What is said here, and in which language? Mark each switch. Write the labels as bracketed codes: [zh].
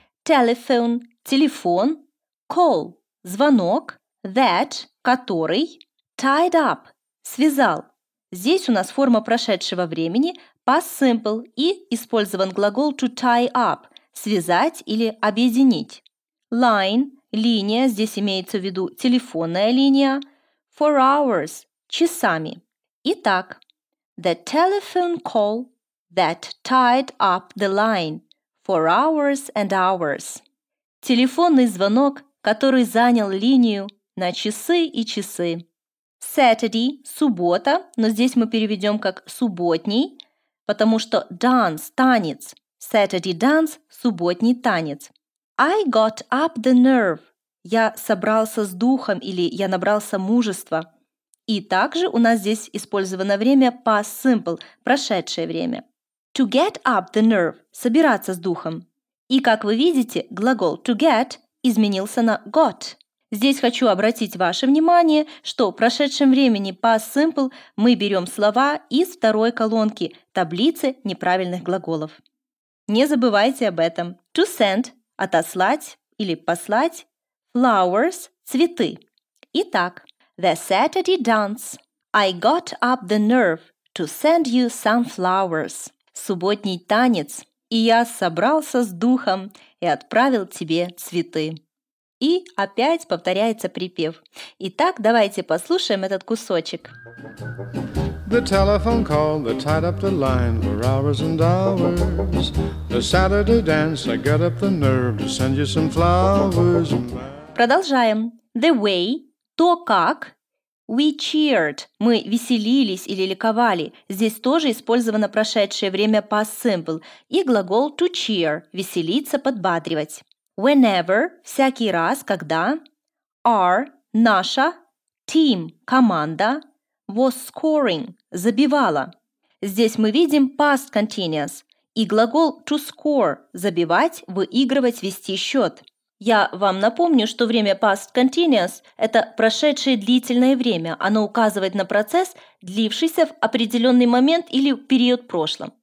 [en] Telephone, телефон, call, звонок, that, который, tied up, связал. [ru] Здесь у нас форма прошедшего времени, past simple, и использован глагол [en] to tie up [ru] – связать или объединить. Line – линия, здесь имеется в виду телефонная линия. [en] For hours – часами. Итак, the telephone call that tied up the line for hours and hours. [ru] Телефонный звонок, который занял линию на часы и часы. Saturday – суббота, но здесь мы переведем как субботний, потому что dance – танец. [en] Saturday dance [ru] – субботний танец. [en] I got up the nerve. [ru] Я собрался с духом или я набрался мужества. И также у нас здесь использовано время past simple – прошедшее время. [en] To get up the nerve [ru] – собираться с духом. И как вы видите, глагол to get изменился на got. Здесь хочу обратить ваше внимание, что в прошедшем времени past simple мы берем слова из второй колонки таблицы неправильных глаголов. Не забывайте об этом. [en] To send [ru] – отослать или послать. Flowers – цветы. [en] Итак, the Saturday dance. I got up the nerve to send you some flowers. [ru] Субботний танец. И я собрался с духом и отправил тебе цветы. И опять повторяется припев. Итак, давайте послушаем этот кусочек. [en] The telephone call that tied up the line for hours and hours. The Saturday dance, I got up the nerve to send you some flowers. [ru] Продолжаем. [en] The way, [ru] то как. [en] We cheered, [ru] мы веселились или ликовали. Здесь тоже использовано прошедшее время past simple. И глагол [en] to cheer, [ru] веселиться, подбадривать. Whenever – всякий раз, когда. Are – наша. Team – команда. [en] Was scoring – забивала. [ru] Здесь мы видим past continuous. И глагол [en] to score [ru] – забивать, выигрывать, вести счет. Я вам напомню, что время past continuous – это прошедшее длительное время. Оно указывает на процесс, длившийся в определенный момент или период в прошлом.